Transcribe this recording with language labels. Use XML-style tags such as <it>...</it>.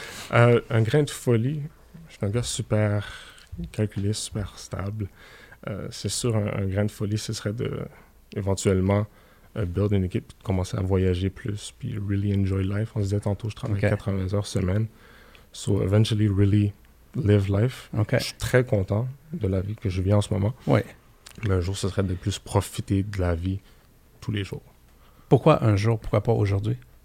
<fr>un grain de folie, je suis un gars super calculé, super stable. C'est sûr, un grain de folie, ce serait éventuellement build une équipe, puis de commencer à voyager plus, puis</fr> <en>really enjoy life.</en> <fr>On se disait tantôt, je travaille 80 heures semaine.</fr> <en>So eventually really live life. Okay.</en> <fr>Je suis très content de la vie que je vis en ce moment. Oui. Mais un jour, ce serait de plus profiter de la vie tous les jours. Pourquoi un jour? Pourquoi pas aujourd'hui?</fr>